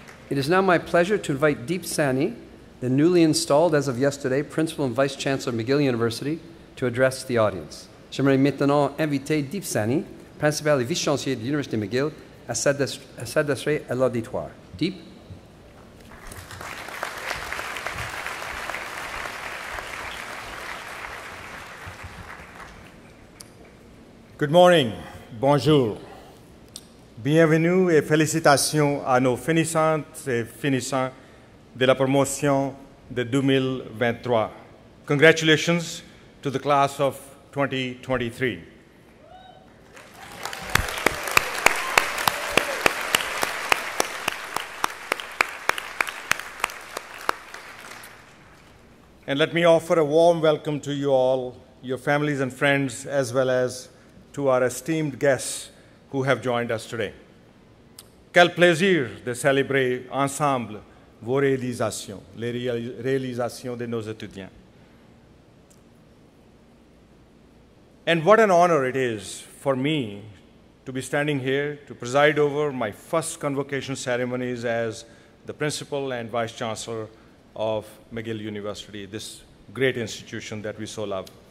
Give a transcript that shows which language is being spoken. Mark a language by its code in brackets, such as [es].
[en] It is now my pleasure to invite Deep Sani, the newly installed, as of yesterday, Principal and Vice Chancellor of McGill University, to address the audience. [fr] J'aimerais maintenant inviter Deep Sani, Principal et Vice-Chancellier de l'Université McGill, à s'adresser à l'auditoire. Deep? [en] Good morning. [fr] Bonjour. Bienvenue et félicitations à nos finissantes et finissants de la promotion de 2023. [en] Congratulations to the class of 2023. And let me offer a warm welcome to you all, your families and friends, as well as to our esteemed guests who have joined us today. [fr] Quel plaisir de célébrer ensemble vos réalisations, les réalisations de nos étudiants. [en] And what an honor it is for me to be standing here to preside over my first convocation ceremonies as the principal and vice chancellor of McGill University, this great institution that we so love.